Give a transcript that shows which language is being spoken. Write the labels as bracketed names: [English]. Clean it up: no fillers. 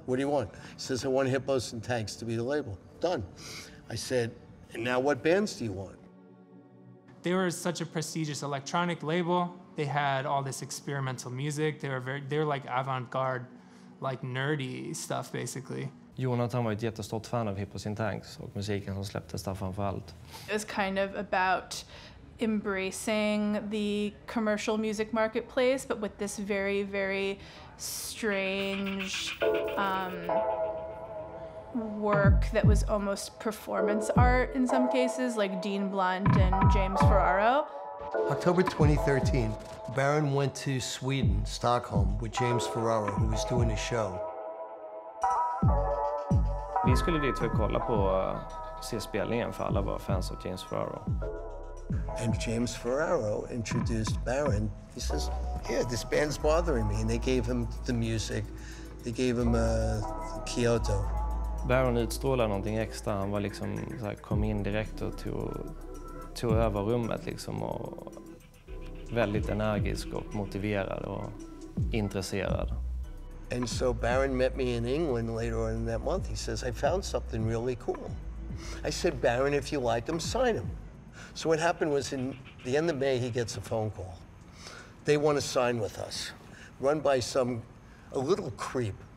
[English] What do you want? He says, I want Hippos and Tanks to be the label. Done. I said, and now what bands do you want? They were such a prestigious electronic label. They had all this experimental music. They were like avant-garde, like nerdy stuff, basically. [Swedish] Jonathan var ett jättestort fan av Hippos and Tanks och musiken som släpptes där framförallt. [English] It was kind of about embracing the commercial music marketplace, but with this very, very strange work that was almost performance art in some cases, like Dean Blunt and James Ferraro. October 2013, Baron went to Sweden, Stockholm, with James Ferraro, who was doing a show. [Swedish] Vi skulle dit för att kolla på se spelningen för alla våra fans av James Ferraro. [English] And James Ferraro introduced Baron. He says, yeah, this band's bothering me. And they gave him the music. They gave him Kyoto. [Swedish] Baron utstrålade någonting extra. Han var liksom, så här, kom in direkt och tog över rummet liksom och väldigt energisk och motiverad och intresserad. [English] And so Baron met me in England later on in that month. He says, I found something really cool. I said, Baron, if you like him, sign him. So what happened was in the end of May, he gets a phone call. They want to sign with us, run by a little creep.